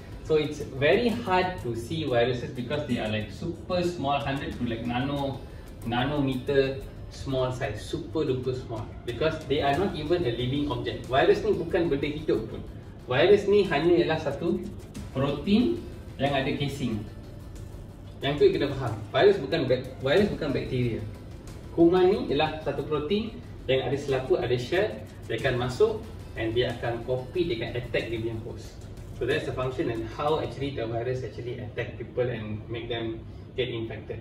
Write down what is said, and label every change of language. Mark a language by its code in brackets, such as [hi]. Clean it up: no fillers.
[en] So it's very hard to see viruses because they are like super small, 100 to like nanometer small size, super duper small, because they are not even a living object. [ms] Virus ni bukan benda hidup pun. Virus ni hanya ialah satu protein yang ada casing. Yang tu kita faham, virus bukan bakteria. Kuman ni ialah satu protein yang ada selaput, ada shell. Dia akan masuk and dia akan copy, dia akan attack dia punya host. [en] So that's the function and how actually the virus actually attack people and make them get infected.